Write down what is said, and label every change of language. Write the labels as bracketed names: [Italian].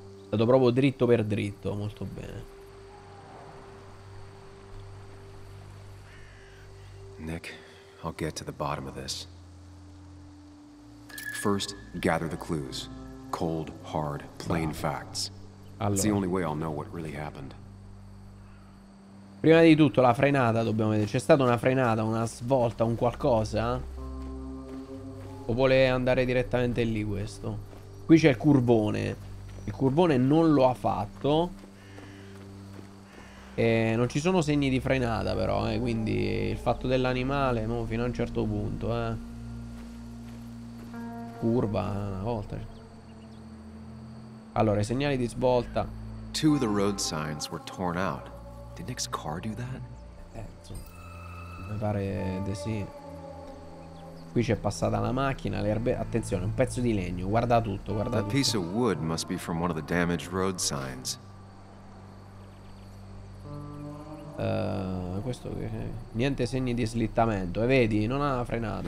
[Italian] È stato proprio dritto per dritto, molto bene. [English] Nick, I'll get to the bottom of this. First, gather the clues. Cold, hard, plain facts. Allora. It's the only way I'll know what really happened. [Italian] Prima di tutto, la frenata, dobbiamo vedere. C'è stata una frenata, una svolta, un qualcosa? O vuole andare direttamente lì questo? Qui c'è il curvone. Il curvone non lo ha fatto. E non ci sono segni di frenata però, quindi il fatto dell'animale, mo, fino a un certo punto, curva una volta. Allora, i segnali di svolta. [English] Two of the road signs were torn out. Did Nick's car do that? [Italian] Mi pare di sì. Qui c'è passata la macchina, le erbe. Attenzione, un pezzo di legno. Guarda tutto, guarda tutto. [English] That piece of wood must be from one of the damaged road signs. [Italian] Questo che è? Niente segni di slittamento. E vedi, non ha frenato.